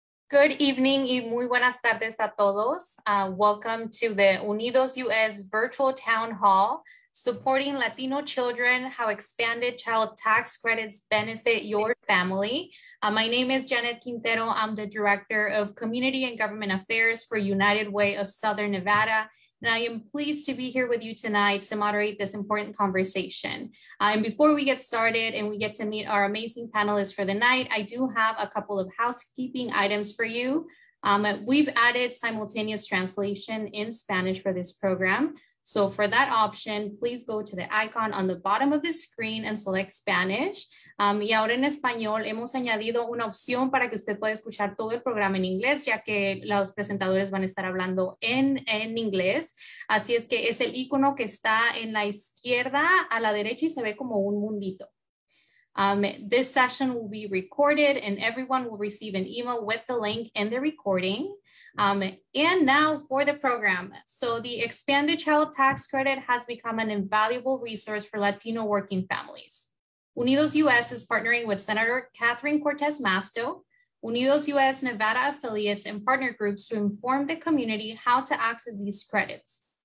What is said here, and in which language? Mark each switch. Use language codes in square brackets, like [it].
[en] Good evening [es] y muy buenas tardes a todos. [en] Welcome to the Unidos US Virtual Town Hall, Supporting Latino Children, How Expanded Child Tax Credits Benefit Your Family. My name is Janet Quintero. I'm the Director of Community and Government Affairs for United Way of Southern Nevada. And I am pleased to be here with you tonight to moderate this important conversation. And before we get started and we get to meet our amazing panelists for the night, I do have a couple of housekeeping items for you. We've added simultaneous translation in Spanish for this program. So for that option, please go to the icon on the bottom of the screen and select Spanish. [es] Y ahora en español hemos añadido una opción para que usted pueda escuchar todo el programa en inglés, ya que los presentadores van a estar hablando en inglés. Así es que es el icono que está en la izquierda a la derecha y se ve como un mundito. [en] This session will be recorded and everyone will receive an email with the link and the recording. And now for the program. So the Expanded Child Tax Credit has become an invaluable resource for Latino working families. Unidos US is partnering with Senator Catherine Cortez Masto, Unidos US Nevada affiliates and partner groups to inform the community how to access these credits.